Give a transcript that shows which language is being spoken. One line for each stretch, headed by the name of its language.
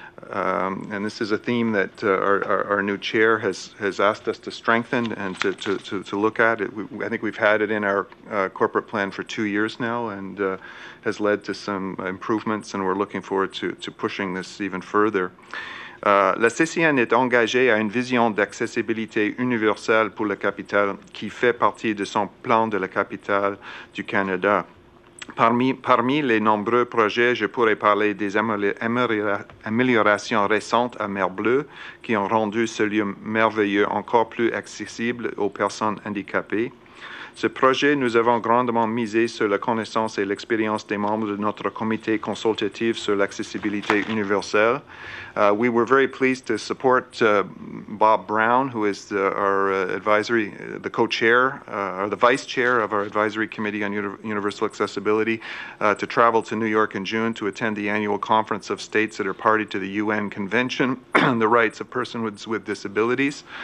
English: And this is a theme that our new chair has asked us to strengthen and to look at. I think we've had it in our corporate plan for 2 years now and has led to some improvements, and we're looking forward to pushing this even further.
French: La CCN est engagée à une vision d'accessibilité universelle pour la capitale qui fait partie de son plan de la capitale du Canada. Parmi les nombreux projets, je pourrais parler des améliorations récentes à Mer Bleue qui ont rendu ce lieu merveilleux encore plus accessible aux personnes handicapées. Ce projet, nous avons grandement misé sur la connaissance et l'expérience des membres de notre comité consultatif sur l'accessibilité universelle.
English: We were very pleased to support Bob Brown, who is the vice chair of our advisory committee on universal accessibility, to travel to New York in June to attend the annual conference of states that are party to the UN Convention on the Rights of Persons with Disabilities.